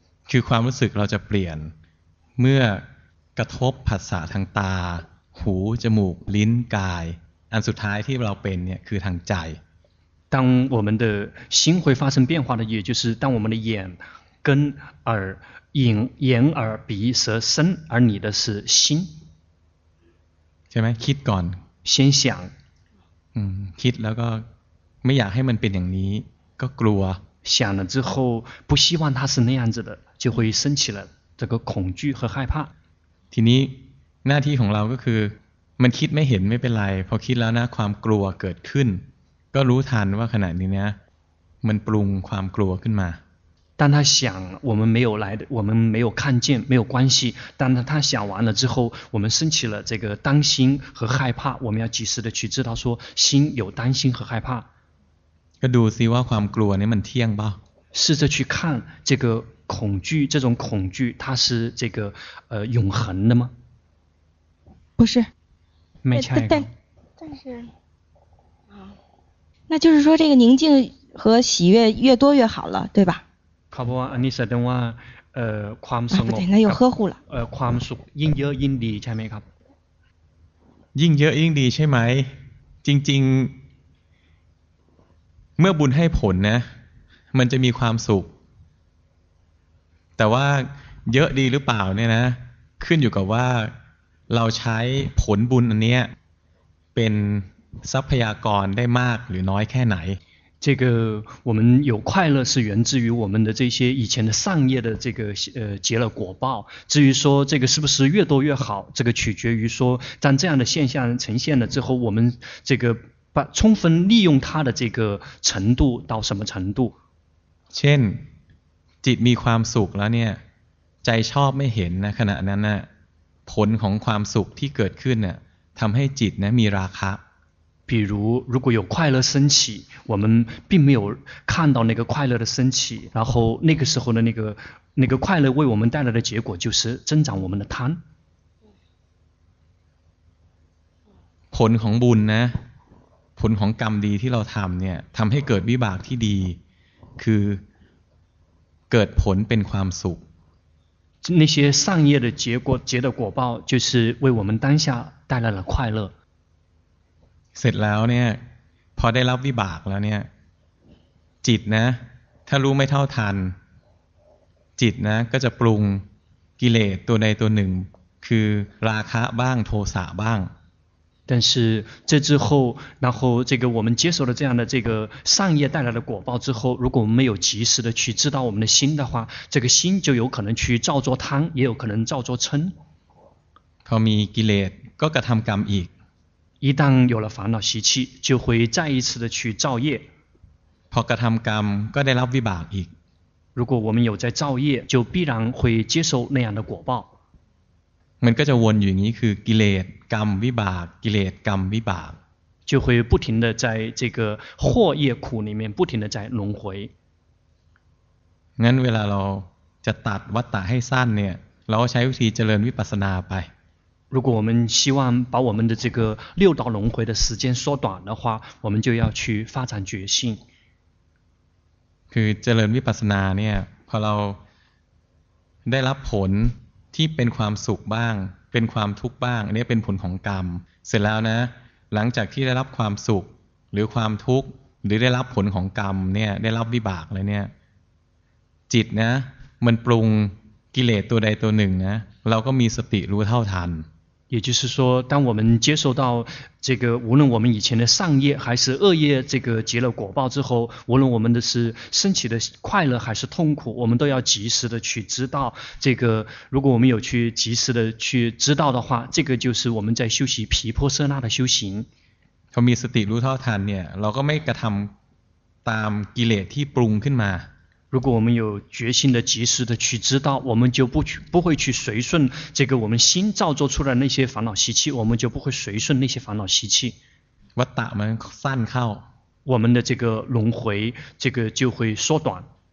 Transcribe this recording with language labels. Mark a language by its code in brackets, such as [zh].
[th] คือความรู้สึกเราจะเปลี่ยนเมื่อกระทบผัสสะทางตาหูจมูกลิ้นกายอันสุดท้ายที่เราเป็นเนี่ยคือทางใจ [zh] 当我们的心会发生变化的也就是当我们的眼根耳眼耳鼻舌身而你的是心 [th] ใช่ไหมคิดก่อน [zh] 先想 [th] คิดแล้วก็ไม่อยากให้มันเป็นอย่างนี้ก็กลัว [zh] 想了之后不希望它是那样子的就会升起了这个恐惧和害怕 [th] ทีนี้หน้าที่ของเราก็คือมันคิดไม่เห็นไม่เป็นไรพอคิดแล้วนะความกลัวเกิดขึ้น ก็รู้ทันว่าขณะนี้เนี่ยมันปรุงความกลัวขึ้นมา [zh] 当他想我们没有来我们没有看见没有关系当他想完了之后我们升起了这个担心和害怕我们要及时的去知道说心有担心和害怕 [th] ก็ดูซิว่าความกลัวนี่มันเที่ยงเปล่า [zh] 试着去看这个恐惧这种恐惧它是这个永恒的吗不是没猜过但是那就是说这个宁静和喜悦越多越好了对吧 [th] ครับว่าอันนี้แสดงว่าความสงบ นั่นอยู่เฝ้าล่ะ ความสุขยิ่งเยอะยิ่งดีใช่ไหมครับ ยิ่งเยอะยิ่งดีใช่ไหมจริงๆเมื่อบุญให้ผลนะมันจะมีความสุขแต่ว่าเยอะดีหรือเปล่าเนี่ยนะขึ้นอยู่กับว่าเราใช้ผลบุญอันนี้เป็นทรัพยากรได้มากหรือน้อยแค่ไหน [zh] 这个我们有快乐是源自于我们的这些以前的善业的这个结了果报至于说这个是不是越多越好这个取决于说当这样的现象呈现了之后我们这个把充分利用它的这个程度到什么程度 [th] เช่นจิตมีความสุขแล้วเนี่ยใจชอบไม่เห็นนะขณะนั้นน่ะผลของความสุขที่เกิดขึ้นน่ะทำให้จิตนะมีราคะ [zh] 比如如果有快乐升起我们并没有看到那个快乐的升起然后那个时候的那个快乐为我们带来的结果就是增长我们的贪 [th] ผลของบุญนะผลของกรรมดีที่เราทำเนี่ยทำให้เกิดวิบากที่ดีคือเกิดผลเป็นความสุข [zh] 那些善业的结果结的果报就是为我们当下带来了快乐 [th] เสร็จแล้วเนี่ยพอได้รับวิบากแล้วเนี่ยจิตนะถ้ารู้ไม่เท่าทันจิตนะก็จะปรุงกิเลสตัวใดตัวหนึ่งคือราคะบ้างโทสะบ้าง [zh] 但是这之后然后这个我们接受了这样的这个善业带来的果报之后如果我们没有及时的去知道我们的心的话这个心就有可能去造作贪也有可能造作嗔 [th] พอมีกิเลสก็กระทำกรรมอีก [zh] 一旦有了烦恼习气就会再一次的去造业 [th] พอกระทำกรรมก็ได้รับวิบากอีก [zh] 如果我们有在造业就必然会接受那样的果报 [th] มันก็จะวนอยู่อย่างนี้คือกิเลสกรรมวิบากกิเลสกรรมวิบาก [zh] 就会不停的在这个惑业苦里面不停的在轮回 [th] งั้นเวลาเราจะตัดวัฏฏะให้สั้นเนี่ยเราใช้วิธีเจริญวิปัสสนาไป [zh] 如果我们希望把我们的这个六道轮回的时间缩短的话我们就要去发展决心 [th] คือเจริญวิปัสสนาเนี่ยพอเราได้รับผลที่เป็นความสุขบ้างเป็นความทุกข์บ้างอันนี้เป็นผลของกรรมเสร็จแล้วนะหลังจากที่ได้รับความสุขหรือความทุกข์หรือได้รับผลของกรรมเนี่ยได้รับวิบากแล้วเนี่ยจิตนะมันปรุงกิเลสตัวใดตัวหนึ่งนะเราก็มีสติรู้เท่าทัน [zh] 也就是说当我们接受到这个无论我们以前的善业还是恶业这个结了果报之后无论我们的是升起的快乐还是痛苦我们都要及时的去知道这个如果我们有去及时的去知道的话这个就是我们在修习毗婆舍那的修行 [th] พอมีสติรู้เท่าทันเนี่ยเราก็ไม่กระทำตามกิเลสที่ปรุงขึ้นมา [zh] 如果我们有决心的及时的去知道我们就不会去随顺这个我们心造作出来那些烦恼习气我们就不会随顺那些烦恼习气 [th] วัฏฏะมันสั้นเข้า [zh] 我们的这个轮回这个就会缩短